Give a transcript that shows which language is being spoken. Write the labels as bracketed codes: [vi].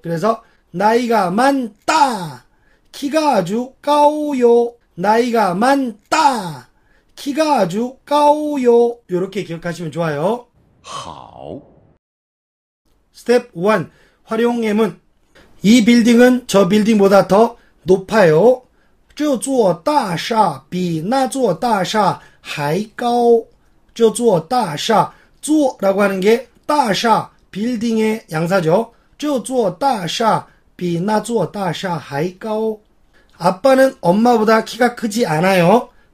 [ko] 그래서 나이가 많다, 키가 아주 까오요. 나이가 많다, 키가 아주 까오요. 이렇게 기억하시면 좋아요. 하오. 스텝 1. 활용의 문. 이 빌딩은 저 빌딩보다 더 높아요. [zh] 这座大厦比那座大厦还高.这座大厦, [ko] 座라고 하는 게 大厦, 빌딩의 양사죠. [zh] 这座大厦比那座大厦还高. [ko] 아빠는 엄마보다 키가 크지 않아요.